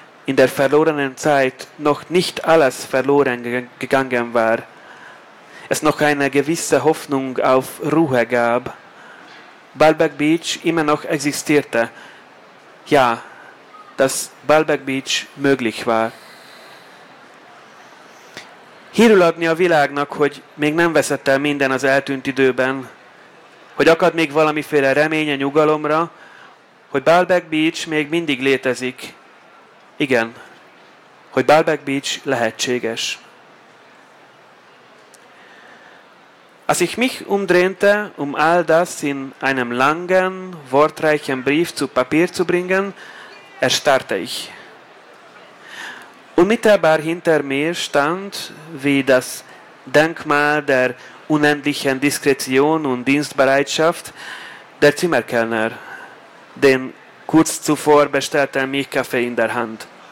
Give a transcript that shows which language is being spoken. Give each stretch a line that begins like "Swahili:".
German: in der verlorenen Zeit noch nicht alles verloren gegangen war, es noch eine gewisse Hoffnung auf Ruhe gab, Baalbek Beach immer noch existierte, ja, dass Baalbek Beach möglich war.
Hungarian: Hírul adni a világnak, hogy még nem veszett el minden az eltűnt időben, hogy akad még valamiféle remény a nyugalomra, hogy Baalbek Beach még mindig létezik. Igen, hogy Baalbek Beach lehetséges.
German: Als ich mich umdrehte, all das in einem langen, wortreichen Brief zu Papier zu bringen, erstarrte ich. Unmittelbar hinter mir stand, wie das Denkmal der unendlichen Diskretion und Dienstbereitschaft, der Zimmerkellner, den kurz zuvor bestellten Milchkaffee in der Hand.